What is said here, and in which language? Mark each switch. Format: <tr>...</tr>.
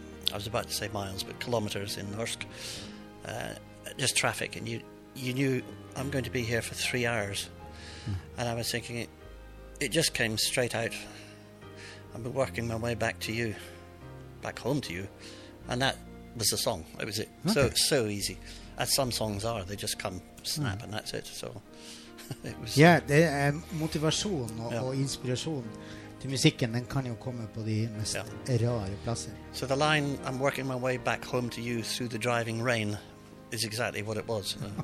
<en>I was about to say miles, but kilometres in Norsk. Just traffic, and you knew I'm going to be here for 3 hours. And I was thinking, it just came straight out. I've been working my way back to you, back home to you. And that was the song. It was so easy. As some songs are, they just come snap and that's it. So it was.</en> <no>Yeah, det motivasjon og inspirasjon. Til musikken, den kan jo komme på de mest rare plassene.</no> <en>So the line, I'm working my way back home to you through the driving rain, is exactly what it was.</en>